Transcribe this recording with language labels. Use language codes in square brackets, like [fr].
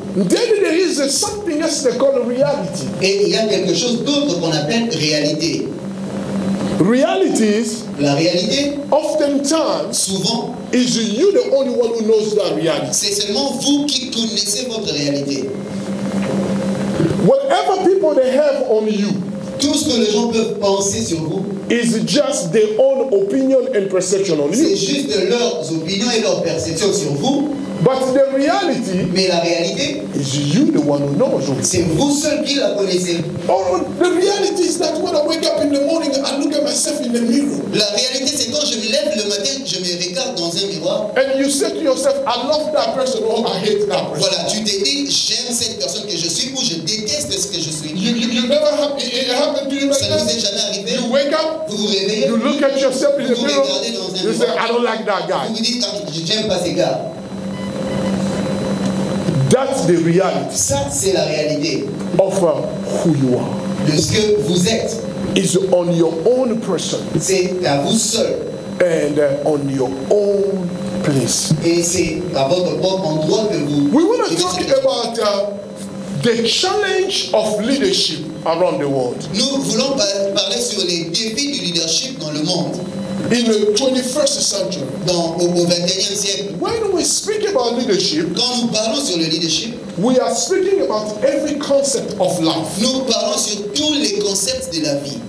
[en] Then there is something else they call reality. [fr] Et il y a quelque chose d'autre qu'on appelle réalité. [en] Realities, [fr] la réalité, [en] oftentimes, [fr] souvent, [en] is you the only one who knows that reality. [fr] C'est seulement vous qui connaissez votre réalité. [en] Whatever people they have on you, [fr] tout ce que les gens peuvent penser sur vous, [en] is just their own opinion and perception on you. [fr] C'est juste leurs opinions et leurs perceptions sur vous. [en] But the reality, [fr] mais la réalité, [en] is you the one who knows. [fr] C'est vous seul qui la connaissez. [en] Or, the reality is that when I wake up in the morning, I look at myself in the mirror. [fr] La réalité, c'est quand je me lève le matin, je me regarde dans un miroir. [en] And you say to yourself, I love that person or I hate that person. [fr] Voilà, tu t'es dit, j'aime cette personne que je suis ou je déteste ce que je suis. [en] You never happened. It happened to you like [fr] ça [en] that. [fr] Ça ne vous est jamais arrivé. [en] You wake up. [fr] Vous vous réveillez. [en] You look at yourself in the mirror. [fr] Vous regardez dans un [en] you [fr] miroir. [en] You say, I don't like that guy. [fr] Vous vous dites, ah, je n'aime pas ces gars. [en] That's the reality. [fr] Ça, c'est la réalité. [en] Of who you are. [fr] De ce que vous êtes. [en] Is on your own person. [fr] C'est à vous seul. [en] And on your own place. [fr] Et c'est à votre propre endroit que vous. [en] We want to talk about the challenge of leadership around the world. [fr] Nous voulons parler sur les défis du leadership dans le monde. [en] In the 21st century, [fr] dans au 21e siècle, [en] when we speak about leadership, [fr] quand nous parlons sur le leadership, [en] we are speaking about every concept of life. [fr] Nous parlons sur tous les concepts de la vie.